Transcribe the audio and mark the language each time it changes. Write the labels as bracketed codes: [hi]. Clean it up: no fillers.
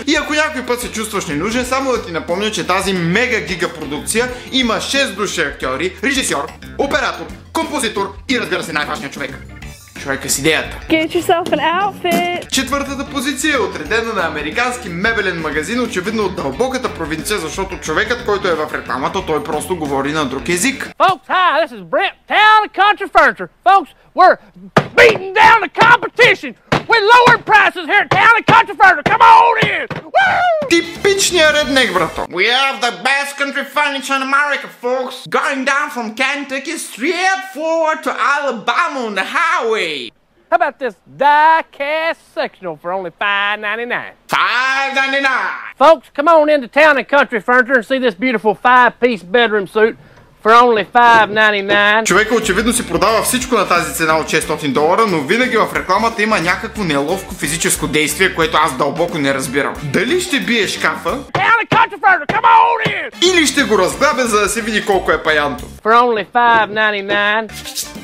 [bg] И ако някой път се чувстваш ненужен, само да ти напомня, че тази мега гига продукция има 6 души актьори, режисьор, оператор, композитор и, разбира се, най-важният човек. Човека с идеята. [en] Get yourself an outfit. [bg] Четвъртата позиция е отредена на американски мебелен магазин, очевидно от дълбоката провинция, защото човекът, който е в рекламата, той просто говори на друг език. [en] Folks, hi, this is Brent, town of country furniture. Folks, we're beating down the competition with lower prices here, town of country furniture. Come on in! Woo! [bg] Типичният реднек, брато. [en] We have the best country furniture in America, folks. Going down from Kentucky straight forward to Alabama on the highway. How about this die-cast sectional for only $5.99? Folks, come on into Town and Country Furniture and see this beautiful five-piece bedroom suit for only $5.99. [bg] Човека очевидно си продава всичко на тази цена от $600, но винаги в рекламата има някакво неловко физическо действие, което аз дълбоко не разбирам. Дали ще бие шкафа? [en] Town and Country Furniture, come on in! [bg] Или ще го разглабя, за да се види колко е паянто? [en] For only $5.99.